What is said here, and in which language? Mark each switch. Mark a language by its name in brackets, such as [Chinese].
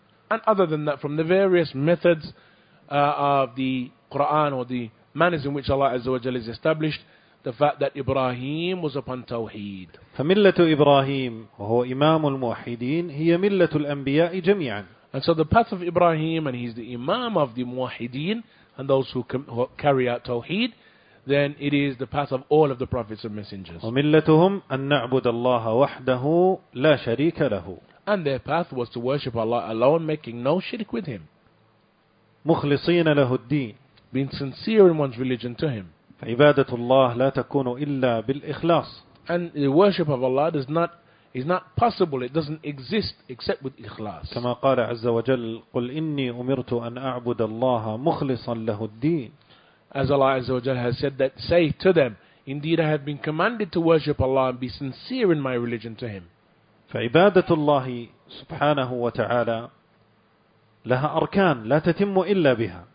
[English] And other than that, from the various methods of the Quran or the manners in which Allah Azza wa Jalla is established, the fact that Ibrahim was upon tawheed. [Arabic] فملة إبراهيم وهو إمام الموحدين هي ملة الأنبياء جميعا. [English] And so the path of Ibrahim, and he's the Imam of the Muwahideen and those who carry out tawheed, then it is the path of all of the prophets and messengers. [Arabic] وملتهم أن نعبد الله وحده لا شريك له. [English] And their path was to worship Allah alone, making no shirk with him. [Arabic] مخلصين له الدين. [English] Being sincere in one's religion to him. [Arabic] فعبادة الله لا تكون إلا بالإخلاص. [English] And the worship of Allah is not possible, it doesn't exist except with إخلاص. [Arabic] كما قال عز وجل قل إني أمرت أن أعبد الله مخلصا له الدين. [English] As Allah Azza wa Jalla has said that, say to them, indeed I have been commanded to worship Allah and be sincere in my religion to him. [Arabic] فعبادة الله سبحانه وتعالى لها أركان لا تتم إلا بها.